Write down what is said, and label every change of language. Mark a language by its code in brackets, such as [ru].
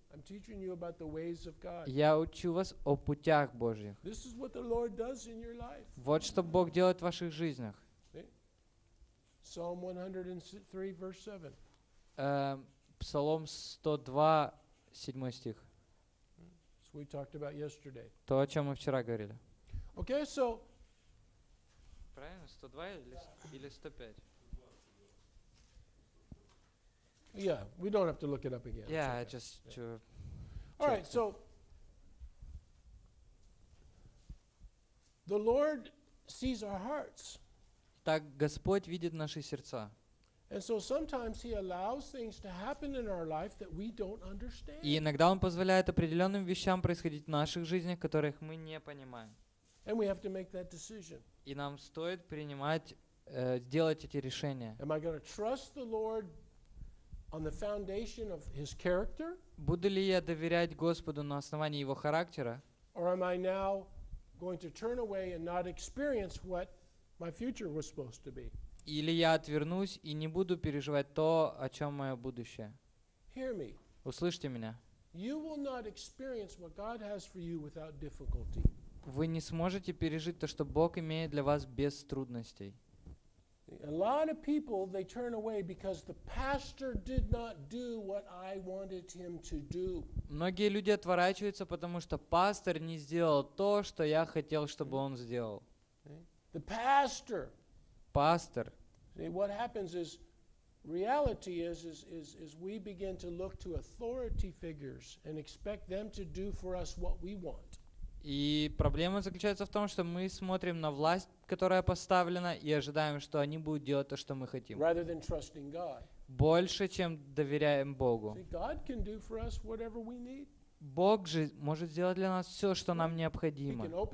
[en] I'm teaching you about the ways of God. [ru] Я учу вас о путях Божьих. [en] This is what the Lord does in your life. [ru] Вот что Бог делает в ваших жизнях. [en] Psalm 103, verse 7. [ru] Псалом 102, 7 стих. [en] So we talked about yesterday. [ru] То, о чем мы вчера говорили. [en] Okay, so. [ru] Правильно, 102 или 105? [en] Yeah, we don't have to look it up again. Yeah, okay. Just yeah. To. All right, so. The Lord sees our hearts. [ru] Так Господь видит наши сердца. [en] And so sometimes he allows things to happen in our life that we don't understand. [ru] И иногда он позволяет определенным вещам происходить в наших жизнях, которых мы не понимаем. [en] And we have to make that decision. [ru] И нам стоит принимать, делать эти решения. [en] Am I going to trust the Lord on the foundation of his character? [ru] Буду ли я доверять Господу на основании его характера? [en] Or am I now going to turn away and not experience what my future was supposed to be? [ru] Или я отвернусь и не буду переживать то, о чем мое будущее. [en] Hear me. [ru] Услышьте меня. [en] You will not experience what God has for you without difficulty. [ru] Вы не сможете пережить то, что Бог имеет для вас без трудностей. [en] A lot of people, they turn away because the pastor did not do what I wanted him to do. [ru] Многие люди отворачиваются, потому что пастор не сделал то, что я хотел, чтобы он сделал. [en] The pastor. Pastor. See, what happens is, reality is we begin to look to authority figures and expect them to do for us what we want. [ru] И проблема заключается в том, что мы смотрим на власть, которая поставлена, и ожидаем, что они будут делать то, что мы хотим. [en] Rather than trusting God. [ru] Больше, чем доверяем Богу. [en] See, God can do for us whatever we need. [ru] Бог же может сделать для нас все, что нам необходимо.